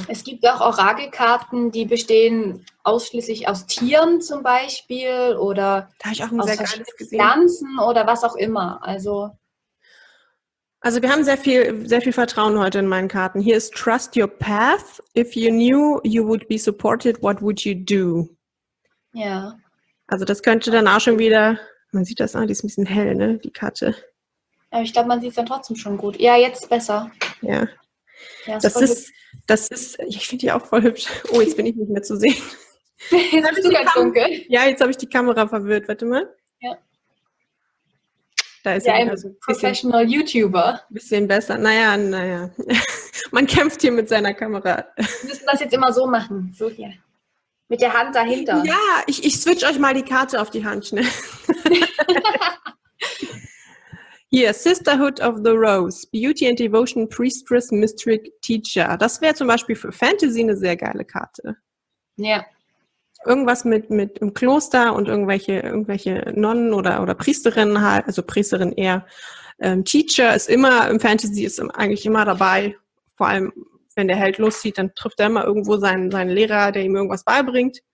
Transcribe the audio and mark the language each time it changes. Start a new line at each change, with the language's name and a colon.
German: Es gibt auch Orakelkarten, die bestehen ausschließlich aus Tieren zum Beispiel oder da hab ich auch ein sehr geiles gesehen. Pflanzen oder was auch immer. Also Wir haben sehr viel Vertrauen heute in meinen Karten. Hier ist
English: Trust your path. If you knew you would be supported, what would you do?
German: Ja. Also das könnte dann auch schon wieder, man sieht das, die ist ein bisschen hell, ne, die Karte. Aber ich glaube, man sieht es dann trotzdem schon gut. Ja, jetzt besser. Ja. Das ist, ich finde die auch voll hübsch. Oh, jetzt bin ich nicht mehr zu sehen. Jetzt bist du ganz dunkel. Ja, jetzt habe ich die Kamera verwirrt, warte mal. Ja. Da ist ja,
English: Professional YouTuber.
German: Bisschen besser. Naja. Man kämpft hier mit seiner Kamera. Wir müssen das jetzt immer so machen. So hier. Mit der Hand dahinter. Ja, ich switch euch mal die Karte auf die Hand schnell.
English: Hier, Sisterhood of the Rose. Beauty and Devotion, Priestess, Mystic Teacher.
German: Das wäre zum Beispiel für Fantasy eine sehr geile Karte. Ja. Irgendwas mit im Kloster und irgendwelche Nonnen oder Priesterinnen halt, also Priesterin eher. Teacher ist immer im Fantasy, ist eigentlich immer dabei. Vor allem, wenn der Held loszieht, dann trifft er immer irgendwo seinen Lehrer, der ihm irgendwas beibringt.